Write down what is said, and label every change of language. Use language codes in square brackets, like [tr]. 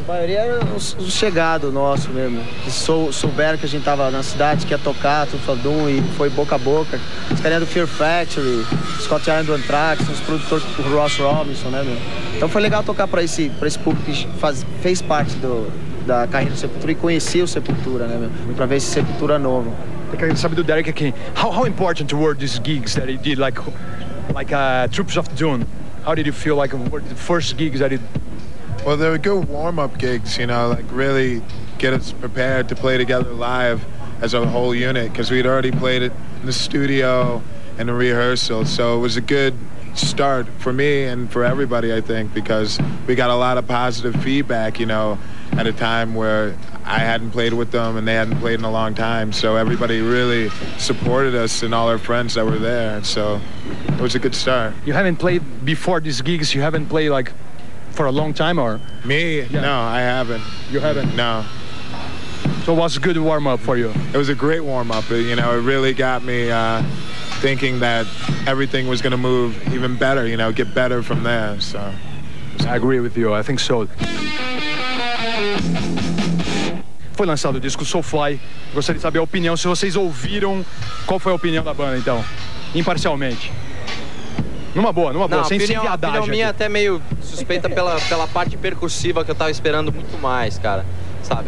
[pt] A maioria era o chegado nosso mesmo. Que souberam que a gente tava na cidade, que ia tocar, tudo Doom, e foi boca a boca. Os caras do Fear Factory, Scott Ian do Anthrax, os produtores do Ross Robinson, né, meu? Então foi legal tocar pra esse público que fez parte da carreira do Sepultura e conheceu o Sepultura, né, meu? Pra ver esse Sepultura novo. Eu quero saber do Derek aqui. [en] How important were these gigs that he did, like Troops of Doom? How did you feel like were the first gigs that he... Well, they were good warm-up gigs, you know, like really get us prepared to play together live as a whole unit, because we'd already played it in the studio and in rehearsal, so it was a good start for me and for everybody, I think, because we got a lot of positive feedback, you know, at a time where I hadn't played with them and they hadn't played in a long time, so everybody really supported us and all our friends that were there, so it was a good start. You haven't played before these gigs, you haven't played like for a long time, or me? Yeah. No, I haven't. You haven't? No. So what's a good warm-up for you? It was a great warm-up, you know, it really got me thinking that everything was going to move even better, you know, get better from there, so. I agree with you, I think so. [pt] Foi lançado o disco Soulfly. Gostaria de saber a opinião, se vocês ouviram, qual foi a opinião da banda, então, imparcialmente. Numa boa, não, sem ser viadagem. A opinião minha aqui até meio suspeita pela parte percussiva, que eu tava esperando muito mais, cara, sabe?